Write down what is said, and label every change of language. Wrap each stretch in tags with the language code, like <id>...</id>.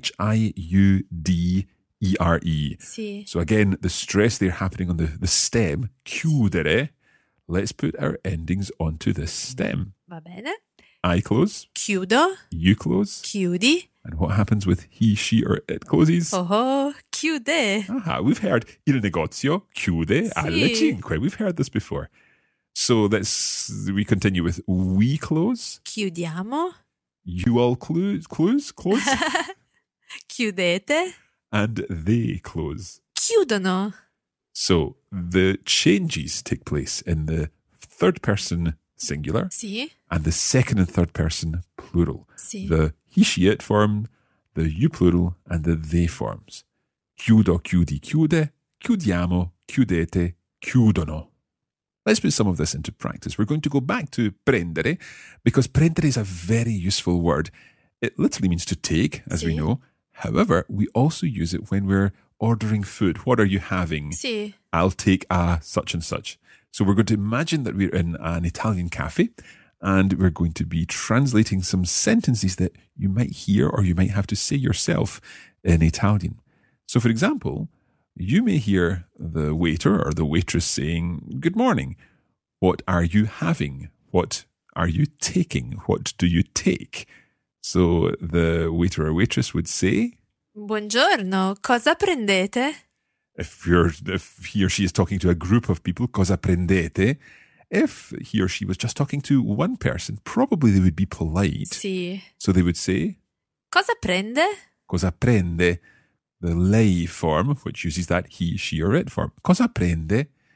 <it>C-H-I-U-D-E-R-E. Si.</it> <en>So again, the stress there happening on the stem, chiudere. Let's put our endings onto this stem.</en> <it>Va bene.</it> <en>I close.</en> <it>Chiudo.</it> <en>You close.</en> <it>Chiudi.</it> <en>And what happens with he, she, or it closes?</en> <it>Oh, chiude. Aha,</it> <en>we've heard</en> <it>il negozio chiude alle cinque.</it> <en>We've heard this before. So we continue with we close.</en> <it>Chiudiamo.</it> <en>You all close.</en> <it>Chiudete.</it> <en>And they close.</en> <it>Chiudono.</it> <en>So the changes take place in the third person singular.</en> <it>Sì.</it> <en>And the second and third person plural.</en> <it>Sì.</it> <en>The he, she, it form, the you plural, and the they forms.</en> <it>Chiudo, chiudi, chiude, chiudiamo, chiudete, chiudono.</it> <en>Let's put some of this into practice. We're going to go back to prendere, because prendere is a very useful word. It literally means to take, as</en> <it>sì,</it> <en>we know. However, we also use it when we're ordering food. What are you having?</en> <it>Sì.</it> <en>I'll take a such and such. So we're going to imagine that we're in an Italian cafe, and we're going to be translating some sentences that you might hear or you might have to say yourself in Italian. So, for example, you may hear the waiter or the waitress saying, good morning, what are you having? What are you taking? What do you take? So the waiter or waitress would say,</en> <it>buongiorno, cosa prendete?</it> <en>If he or she is talking to a group of people,</en> <it>cosa prendete?</it> <en>If he or she was just talking to one person, probably they would be polite.</en> <it>Sì.</it> <en>So they would say,</en> <it>cosa prende? Cosa prende?</it> <en>The lei form, which uses that he, she or it form.</en> <it>Cosa prende?</it>